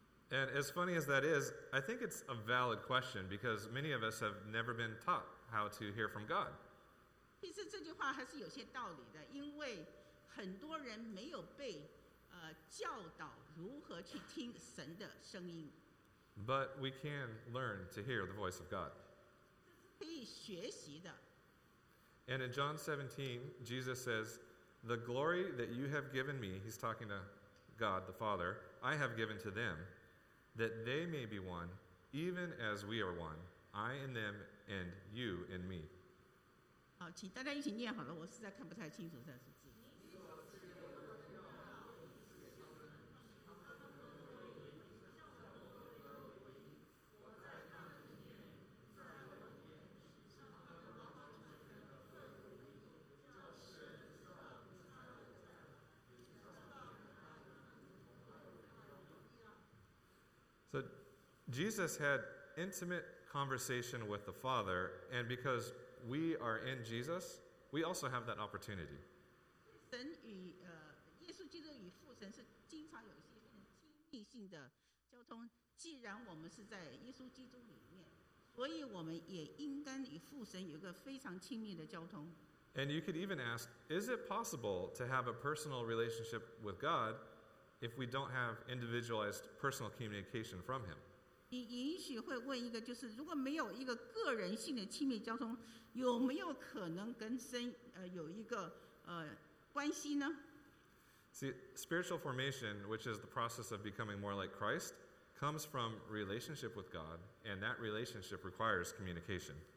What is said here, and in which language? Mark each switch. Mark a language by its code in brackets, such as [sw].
[en] And as funny as that is, I think it's a valid question because many of us have never been taught how to hear from God. [zh] 其实这句话还是有些道理的，因为很多人没有被教导如何去听神的声音。 [en] But we can learn to hear the voice of God. [zh] 可以学习的。 [en] And in John 17, Jesus says, the glory that you have given me, he's talking to God the Father, I have given to them, that they may be one, even as we are one, I in them and you in me. [zh] 好，请大家一起念好了，我实在看不太清楚这样子字。 [en] So Jesus had intimate conversation with the Father, and because we are in Jesus, we also have that opportunity. [zh] 神与耶稣基督与父神是经常有一些亲密性的交通。既然我们是在耶稣基督里面，所以我们也应该与父神有个非常亲密的交通。 [en] And you could even ask, is it possible to have a personal relationship with God if we don't have individualized personal communication from Him? [zh] 你允许会问一个，就是如果没有一个个人性的亲密交通，有没有可能跟神有一个关系呢？ [en] See, spiritual formation, which is the process of becoming more like Christ, comes from relationship with God, and that relationship requires communication.